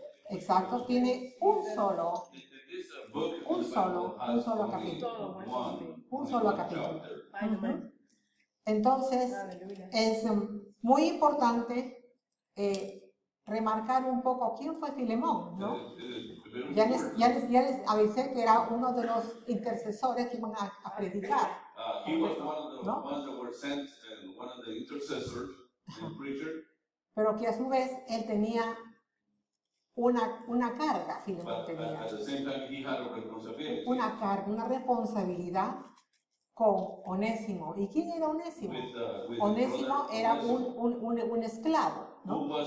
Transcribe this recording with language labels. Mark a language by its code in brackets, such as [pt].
[es] Exacto, tiene un solo capítulo. Entonces, es muy importante remarcar un poco quién fue Filemón, ¿no? Ya les avisé que era uno de los intercesores que iban a predicar. [en] He was one of the ones that were sent, and one of the intercessors. [es] Pero que a su vez él tenía una carga, Filemón tenía. Una carga, una responsabilidad con Onésimo. ¿Y quién era Onésimo? Onésimo era un esclavo, ¿no?